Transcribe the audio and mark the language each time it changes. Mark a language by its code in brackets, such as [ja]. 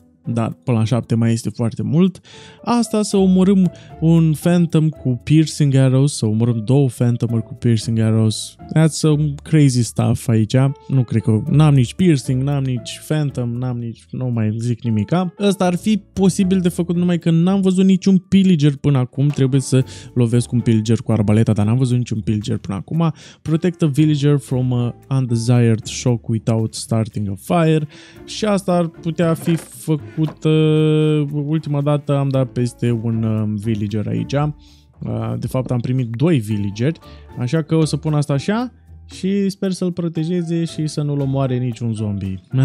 [ro] Dar până la 7 mai este foarte mult. Asta, să omorâm un phantom cu piercing arrows, să omorâm două phantom-uri cu piercing arrows. [en] That's some crazy stuff [ro] aici. Nu cred că... N-am nici piercing, n-am nici phantom, n-am nici... Nu mai zic nimica. Ăsta ar fi posibil de făcut numai că n-am văzut niciun pillager până acum. Trebuie să lovesc un pillager cu arbaleta, dar n-am văzut niciun pillager până acum. [en] Protect a villager from a undesired shock without starting a fire. [ro] Și asta ar putea fi făcut ultima dată am dat peste un villager aici. De fapt am primit 2 villageri, așa că o să pun asta așa și sper să-l protejeze și să nu-l omoare niciun zombie.